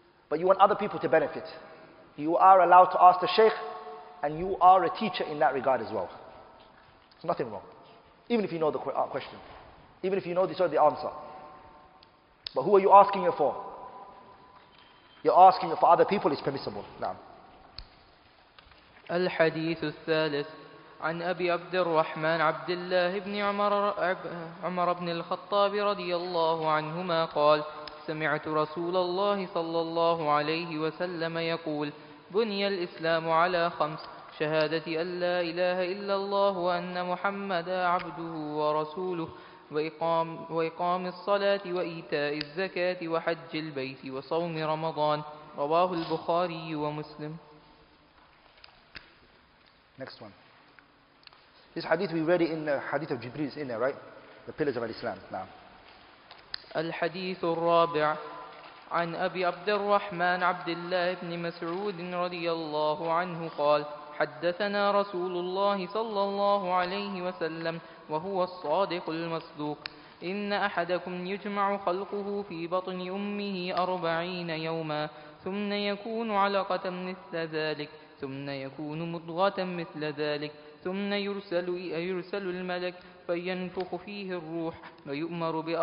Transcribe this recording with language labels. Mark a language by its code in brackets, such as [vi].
[en] But you want other people to benefit. You are allowed to ask the Shaykh, and you are a teacher in that regard as well. There's nothing wrong. Even if you know the question. Even if you know the answer. But who are you asking it for? You're asking it for other people, it's permissible. Now. [ar] الحديث الثالث عن أبي عبد الرحمن عبد الله بن عمر بن الخطاب رضي الله عنهما قال سمعت رسول الله صلى الله عليه وسلم يقول بني الإسلام على خمس شهادة أن لا إله إلا الله وأن محمدا عبده ورسوله وإقام الصلاة وإيتاء الزكاة وحج البيت وصوم رمضان رواه البخاري ومسلم. [en] Next one. This hadith we read in the hadith of Jibreel, is in there, right? The pillars of Islam. Now. [ar] الحديث الرابع عن أبي عبد الرحمن عبد الله بن مسعود رضي الله عنه قال حدثنا رسول الله صلى الله عليه وسلم وهو الصادق المصدوق إن أحدكم يجمع خلقه في بطن أمه 40 يوما ثم يكون علقة مثل ذلك ثم يكون مضغة مثل ذلك ثم يرسل الملك فينفخ فيه الروح ويؤمر